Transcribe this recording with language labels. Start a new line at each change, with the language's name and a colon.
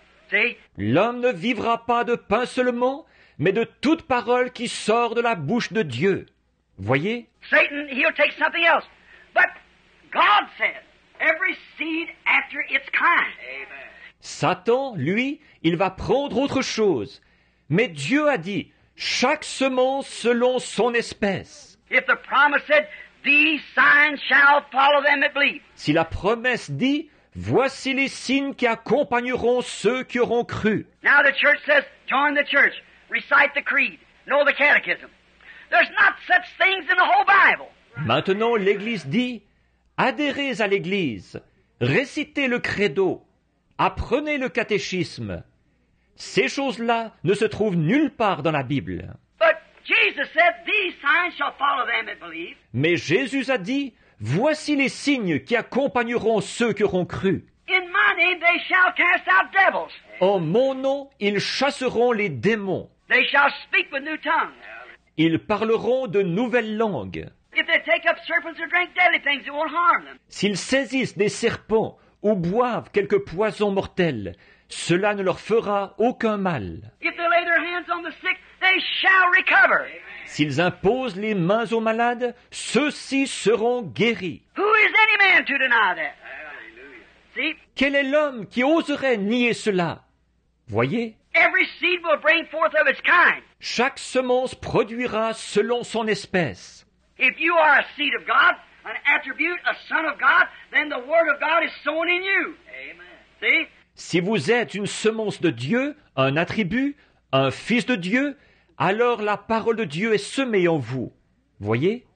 English: See?
French: L'homme ne vivra pas de pain seulement, mais de toute parole qui sort de la bouche de Dieu. Voyez?
English: Satan, he'll take something else. But God said, every seed after its kind. Amen.
French: Satan, lui, il va prendre autre chose. Mais Dieu a dit, chaque semence selon son espèce.
English: If the promise said, these signs shall follow them that believe.
French: Si la promesse dit, voici les signes qui accompagneront ceux qui auront cru.
English: Now the church says, join the church, recite the creed, know the catechism. There's not such things in the whole Bible.
French: Maintenant, l'Église dit, adhérez à l'Église, récitez le credo, apprenez le catéchisme. Ces choses-là ne se trouvent nulle part dans la Bible.
English: But Jesus said, these signs shall follow them that believe.
French: Mais Jésus a dit, voici les signes qui accompagneront ceux qui auront cru.
English: In my name they shall cast out devils.
French: En mon nom, ils chasseront les démons.
English: They shall speak with new tongues.
French: Ils parleront de nouvelles langues.
English: If they take up serpents or drink deadly things, it won't harm them.
French: S'ils saisissent des serpents ou boivent quelque poison mortel, cela ne leur fera aucun mal.
English: If they lay their hands on the sick, they shall recover. Amen.
French: S'ils imposent les mains aux malades, ceux-ci seront guéris.
English: Who is any man to deny that? Hallelujah. See?
French: Quel est l'homme qui oserait nier cela? Voyez?
English: Every seed will bring forth of its kind.
French: Chaque semence produira selon son espèce.
English: If you are a seed of God, an attribute, a son of God, then the word of God is sown in you. Amen. See?
French: Si vous êtes une semence de Dieu, un attribut, un fils de Dieu, alors la parole de Dieu est semée en vous. Voyez?